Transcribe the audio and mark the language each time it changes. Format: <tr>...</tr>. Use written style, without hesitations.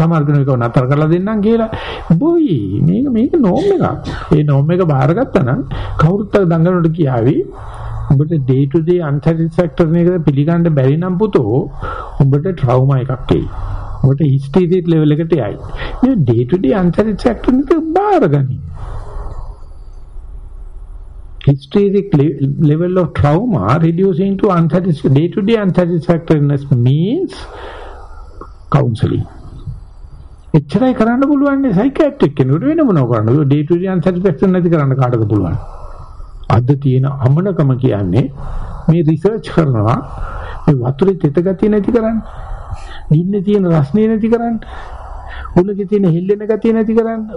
<si>සමහර දෙනා ඒක නතර කරලා දෙන්නම් කියලා. බොයි මේක නෝම් එකක්. මේ නෝම් එක බාරගත්තා නම් කවුරුත් අර දඟලනට කියාවි. උඹට</si> <en>day to day anti-satisfaction</en> <si>එකද පිළිගන්න බැරි නම් පුතෝ උඹට trauma එකක් එයි. උඹට</si> <en>hysteria level</en> <si>එකට යයි. මේ</si> <en>day to day anti-satisfaction</en> <si>එක බාරගනි.</si> <en>hysteria level of trauma reducing to anti-satisfaction day to day anti-satisfaction means counseling.</en> <si>එච්චරයි කරන්න පුළුවන් නේ psychiatric කෙනෙකුට වෙන මොනව කරන්නද?</si> <en>day to day anti-satisfaction</en> <si>නැති කරන්න කාටද පුළුවන්? අද තියෙන අමනකම කියන්නේ මේ රිසර්ච් කරනවා මේ වතුරේ තෙත ගතිය නැති කරන්න, ඉන්නේ තියෙන රසණිය නැති කරන්න, උලකේ තියෙන හෙල්ලෙන ගතිය නැති කරන්න.</si>